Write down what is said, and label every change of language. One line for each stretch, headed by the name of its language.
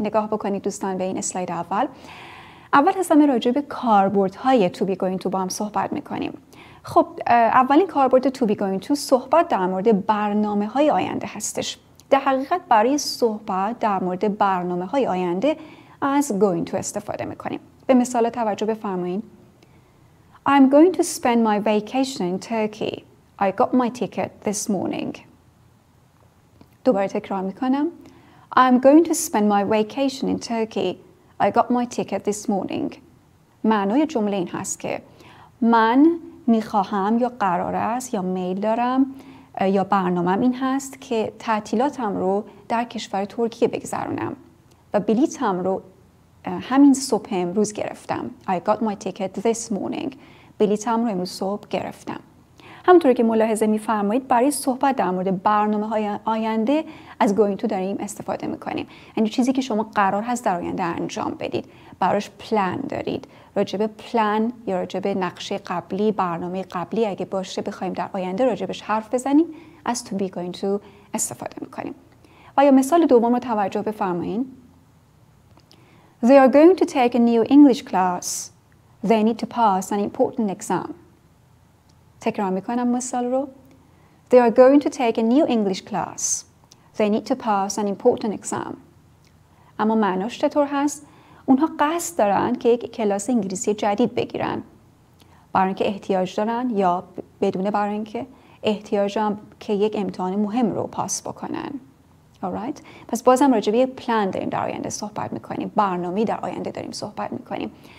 Persian: نگاه بکنید دوستان به این اسلاید اول. اول از همه راجع به کاربرد های to be going to با هم صحبت میکنیم. خب اولین کاربرد to be going to صحبت در مورد برنامه های آینده هستش. در حقیقت برای صحبت در مورد برنامه های آینده از going to استفاده میکنیم. به مثال توجه بفرمایین.
English: I'm going to spend my vacation in Turkey. I got my ticket this morning.
Persian: دوباره تکرار میکنم.
English: I'm going to spend my vacation in Turkey. I got my ticket this morning.
Persian: معنای جمله این هست که من میخواهم یا قرار است یا میل دارم یا برنامه‌ام این هست که تعطیلاتم رو در کشور ترکیه بگذرونم و بلیطم رو همین صبح امروز گرفتم.
English: I got my ticket this morning.
Persian: بلیطم رو امروز صبح گرفتم. همونطور که ملاحظه می‌فرمایید برای صحبت در مورد برنامه‌های آینده از going to داریم استفاده می‌کنیم. یعنی چیزی که شما قرار هست در آینده انجام بدید، براش پلان دارید. راجبه پلان یا راجبه نقشه قبلی، برنامه قبلی اگه باشه بخوایم در آینده راجبش حرف بزنیم، از to be going to استفاده می‌کنیم. و یا مثال دوم رو توجه بفرمایید.
English: They are going to take a new English class. They need to pass an important exam.
Persian: تکرار میکنم مثال رو.
English: They are going to take a new English class. They need to pass an important exam.
Persian: اما معناش چطور هست؟ اونها قصد دارن که یک کلاس انگلیسی جدید بگیرن. برای اینکه احتیاج دارن یا بدون برای اینکه احتیاج دارن که یک امتحان مهم رو پاس بکنن.
English: Alright.
Persian: پس بازم راجع به یک پلان داریم در آینده صحبت میکنیم. برنامه در آینده داریم صحبت میکنیم.